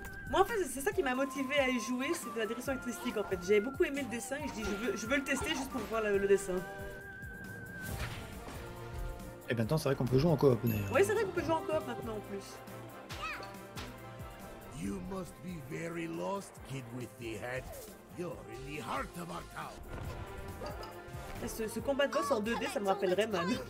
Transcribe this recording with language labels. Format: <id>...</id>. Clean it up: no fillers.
<fr>Moi, en fait, c'est ça qui m'a motivé à y jouer, c'était la direction artistique, en fait. J'avais beaucoup aimé le dessin et je dis, je veux le tester juste pour voir le dessin. Et maintenant, c'est vrai qu'on peut jouer en coop d'ailleurs. Ouais, c'est vrai qu'on peut jouer en coop maintenant en plus.</fr> <en>You must be very lost, kid with the hat. You're in the heart of our town.</en> <fr>Ce combat de boss en 2D, ça me rappellerait Rayman.</fr>